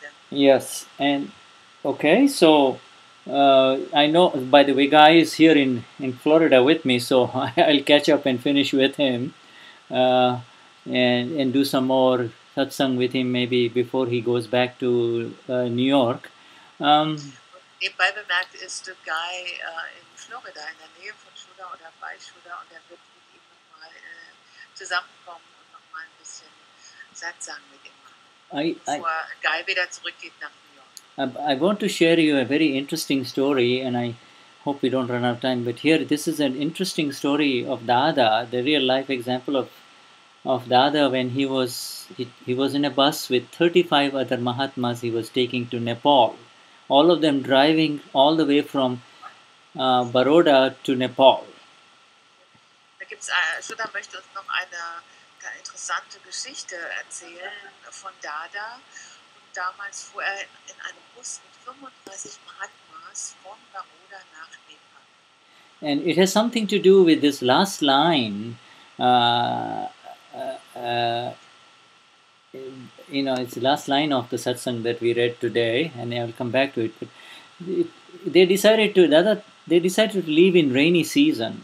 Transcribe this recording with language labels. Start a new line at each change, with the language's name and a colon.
English: Yes, and okay, so I know, by the way, Guy is here in Florida with me, so I'll catch up and finish with him and do some more satsang with him maybe before he goes back to New York.
German: Nebenbei bemerkt ist Guy in Florida, in der Nähe von Shuddha oder bei Shuddha, und er wird mit ihm nochmal zusammenkommen und nochmal ein bisschen satsang mit ihm.
English: I want to share you a very interesting story, and I hope we don't run out of time, but here, this is an interesting story of Dada, the real life example of Dada, when he was in a bus with 35 other Mahatmas he was taking to Nepal, all of them driving all the way from Baroda to Nepal.
German: Shuddha möchte uns noch eine interessante Geschichte erzählen von Dada. Und damals fuhr er in einem Bus mit 35 Mahatmas von Baroda nach Nepal.
English: And it has something to do with this last line. It's the last line of the satsang that we read today, and I will come back to it. But they decided to leave in rainy season.